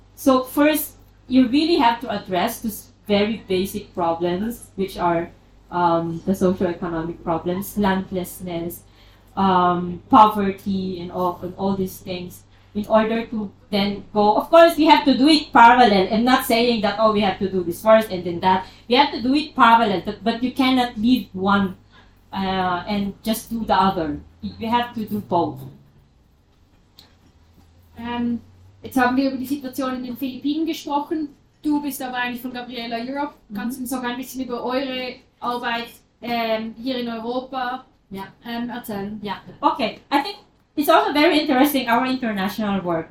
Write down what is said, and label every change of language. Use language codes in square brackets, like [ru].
[en] So first, you really have to address these very basic problems, which are the socioeconomic problems, landlessness, poverty, and all these things, in order to then go, of course, we have to do it parallel, and not saying that, oh, we have to do this first and then that. We have to do it parallel, but you cannot leave one and just do the other. You have to do both. [de] Jetzt haben wir über die Situation in den Philippinen gesprochen. Du bist aber eigentlich von Gabriela Europe. Kannst du uns auch ein bisschen über eure Arbeit hier in Europa erzählen? Ja, okay. [en] I think it's also very interesting, our international work.